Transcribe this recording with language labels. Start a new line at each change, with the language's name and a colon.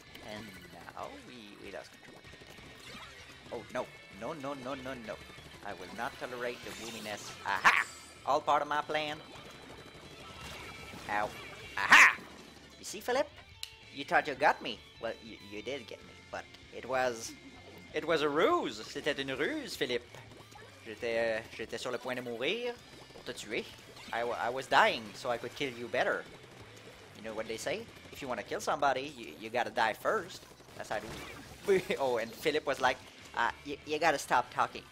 English: And now we lost control. Oh, no. No, no, no, no, no. I will not tolerate the woominess. Aha! All part of my plan. Ow. Aha! You see, Philip? You thought you got me. Well, you did get me, but it was a ruse.
French: C'était une ruse, Philip. J'étais sur le point de mourir pour te tuer.
English: I was dying so I could kill you better. You know what they say? If you want to kill somebody, you gotta die first. That's how we... Oh, and Philip was like, you gotta stop talking.